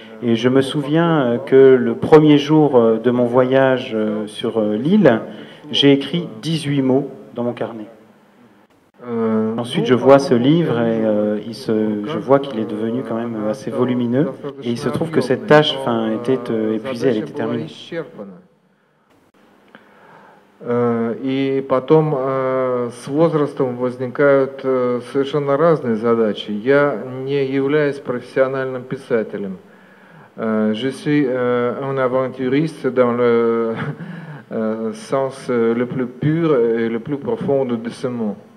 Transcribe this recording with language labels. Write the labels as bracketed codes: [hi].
[fr] Et je me souviens que le premier jour de mon voyage sur l'île, j'ai écrit 18 mots dans mon carnet. Ensuite je vois ce livre et je vois qu'il est devenu quand même assez volumineux. Et il se trouve que cette tâche était épuisée, elle était terminée. [ru] И потом с возрастом возникают совершенно разные задачи. Я не являюсь профессиональным писателем. [fr] Je suis un aventuriste dans le sens le plus pur et le plus profond de ce mot.